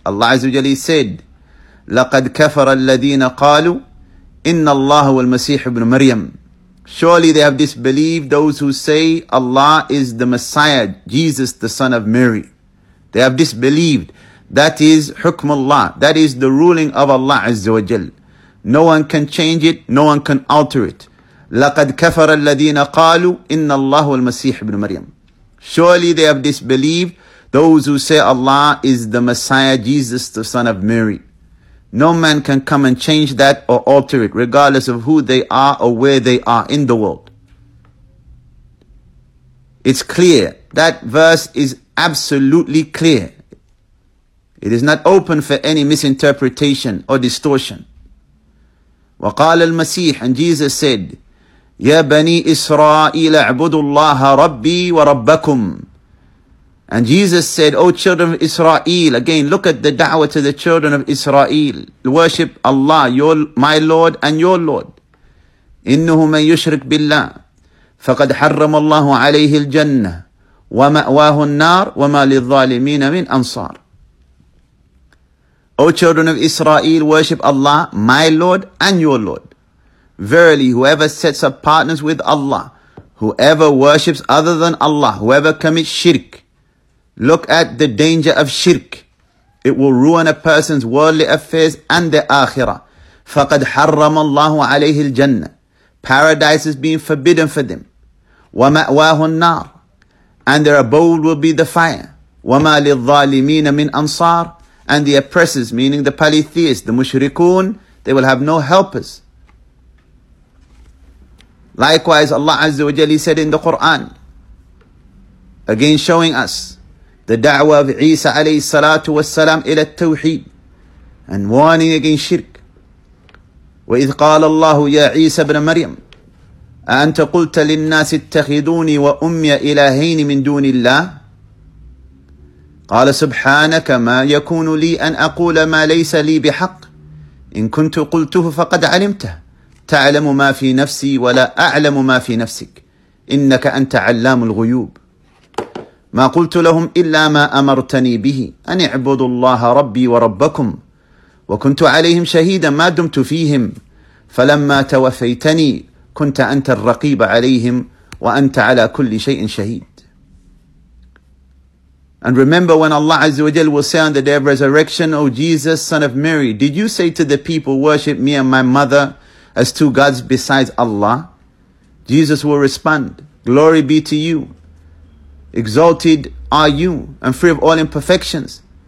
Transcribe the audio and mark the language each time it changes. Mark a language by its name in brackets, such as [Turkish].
[English] Allah Azza wa Jalla said, [Arabic] لَقَدْ كَفَرَ الَّذِينَ قَالُوا إِنَّ اللَّهُ وَالْمَسِيحُ ابْنُ مَرْيَمُ. [English] Surely they have disbelieved those who say Allah is the Messiah, Jesus, the son of Mary. They have disbelieved. That is [Arabic] حُكْمُ اللَّهِ. [English] That is the ruling of Allah Azza wa Jalla. No one can change it. No one can alter it. [Arabic] لَقَدْ كَفَرَ الَّذِينَ قَالُوا إِنَّ اللَّهُ وَالْمَسِيحُ ابْنُ مَرْيَمُ. [English] Surely they have disbelieved those who say Allah is the Messiah, Jesus, the son of Mary. No man can come and change that or alter it, regardless of who they are or where they are in the world. It's clear. That verse is absolutely clear. It is not open for any misinterpretation or distortion. [Arabic] وَقَالَ الْمَسِيحِ, [English] and Jesus said, [Arabic] يَا بَنِي إِسْرَائِيلَ اعْبُدُوا اللَّهَ رَبِّي وَرَبَّكُمْ. [English] And Jesus said, O children of Israel, again, look at the da'wah to the children of Israel. Worship Allah, my Lord and your Lord. [Arabic] إِنُّهُ مَنْ يُشْرِكْ بِاللَّهِ فَقَدْ حَرَّمَ اللَّهُ عَلَيْهِ الْجَنَّةِ وَمَأْوَاهُ النَّارِ وَمَا لِلظَّالِمِينَ مِنْ أَنصَارِ. [English] O children of Israel, worship Allah, my Lord and your Lord. Verily, whoever sets up partners with Allah, whoever worships other than Allah, whoever commits shirk, look at the danger of shirk. It will ruin a person's worldly affairs and their akhirah. [Arabic] فَقَدْ حَرَّمَ اللَّهُ عَلَيْهِ الْجَنَّةِ. [English] Paradise is being forbidden for them. [Arabic] وَمَأْوَاهُ النَّارِ. [English] And their abode will be the fire. [Arabic] وَمَا لِلظَّالِمِينَ مِنْ أَنصَارِ. [English] And the oppressors, meaning the polytheists, the mushrikun, they will have no helpers. Likewise, Allah Azza wa Jalla said in the Quran, again showing us the da'wah of Isa alayhi salatu wassalam ila tawheed and warning against shirk. [Arabic] وَإِذْ قَالَ اللَّهُ يَا عِيسَى بْنَ مَرْيَمَ أَأَنْتَ قُلْتَ لِلنَّاسِ اتَّخِذُونِي وَأُمِّيَ إِلَهَيْنِ مِنْ دُونِ اللَّهِ قَالَ سُبْحَانَكَ مَا يَكُونُ لِي أَنْ أَقُولَ مَا لَيْسَ لِي بِحَقٍّ إِنْ كُنْتُ قُلْتُهُ فَقَدْ عَلِمْتَهُ تَعْلَمُ مَا فِي نَفْسِي وَلَا أَعْلَمُ مَا فِي نَفْسِكَ إِنَّكَ أَنْتَ عَلَّامُ الْغُيُوبِ ما قلت لهم إلا ما أمرتني به أن اعبدوا الله ربي وربكم وكنت عليهم شهيدا ما دمت فيهم فلما توفيتني كنت أنت الرقيب عليهم وأنت على كل شيء شهيد. [English] And remember when Allah Azza wa Jal will say on the day of resurrection, O Jesus, son of Mary, did you say to the people, worship me and my mother as two gods besides Allah? Jesus will respond, glory be to you. Exalted are you and free of all imperfections.